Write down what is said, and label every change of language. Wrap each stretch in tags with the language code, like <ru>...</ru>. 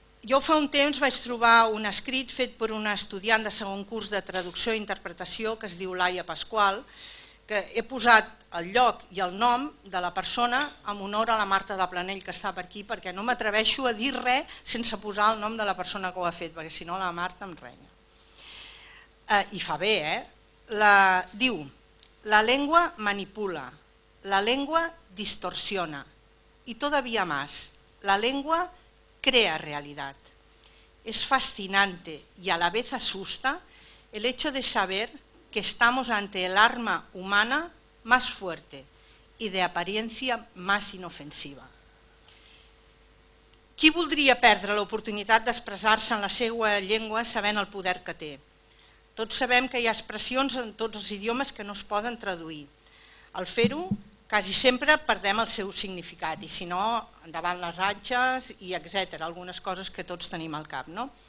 <ca>Jo fa un temps vaig trobar un escrit fet per una estudiant de segon curs de traducció i interpretació que es diu Laia Pascual, que he posat el lloc i el nom de la persona en honor a la Marta de Planell, que està per aquí, perquè no m'atreveixo a dir res sense posar el nom de la persona que ho ha fet, perquè si no la Marta em renya. I fa bé, eh? Diu, la llengua manipula, la llengua distorsiona, i</ca> <es>todavía más,</es> <ca>la llengua crea realidad.</ca> <es>Es fascinante y a la vez asusta el hecho de saber que estamos ante el arma humana más fuerte y de apariencia más inofensiva.</es> <ca>Qui voldria perdre l'oportunitat d'expressar-se en la seva llengua sabent el poder que té? Tots sabem que hi ha expressions en tots els idiomes que no es poden traduir. Al fer-ho, quasi sempre perdem el seu significat, i si no, endavant les atxes i etcètera, algunes coses que tots tenim al cap. No?</ca>